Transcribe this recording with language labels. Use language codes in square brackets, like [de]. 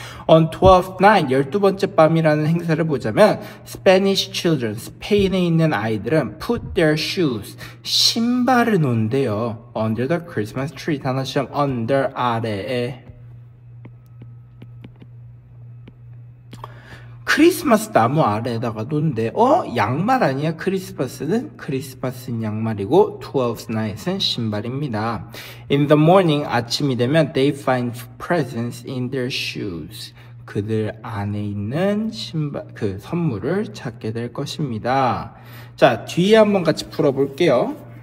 [en] On 12th night, [ko] 12번째 밤이라는 행사를 보자면 [en] Spanish children, [ko] 스페인에 있는 아이들은 [en] put their shoes, [ko] 신발을 놓은대요. [en] Under the Christmas tree, [ko] 단어 시험 [en] under, [ko] 아래에. 크리스마스 나무 아래에다가 놓는데 양말 아니야? 크리스마스는? 크리스마스는 양말이고 12th night은 신발입니다. [en] In the morning, [ko] 아침이 되면 [en] they find presents in their shoes. [ko] 그들 안에 있는 신발, 그 선물을 찾게 될 것입니다. 자, 뒤에 한번 같이 풀어볼게요.